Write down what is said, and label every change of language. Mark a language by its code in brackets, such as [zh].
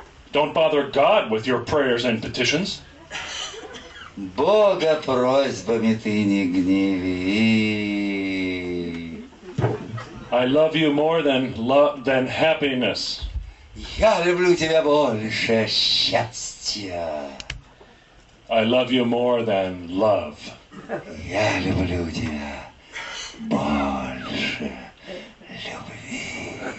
[en] Don't bother God with your prayers and petitions. [ru] Бога просьбами ты не гневи. [en] I love you more than love than happiness. [ru] Я люблю тебя больше счастья. [en] I love you more than love. [ru] Я люблю тебя больше любви.